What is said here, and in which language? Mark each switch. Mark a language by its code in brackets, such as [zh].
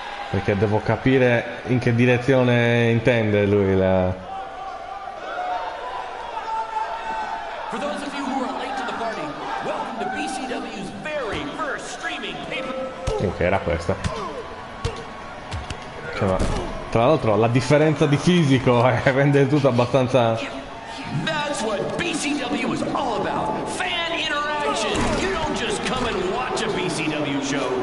[it] Perché devo capire in che direzione intende lui la. [en] For those of you who are late to the party, welcome to BCW's very first streaming paper. [it] Ok, era questa. Cioè, ma, tra l'altro la differenza di fisico rende tutto abbastanza. [en] That's what BCW is all about. Fan interaction! You don't just come and watch a BCW show.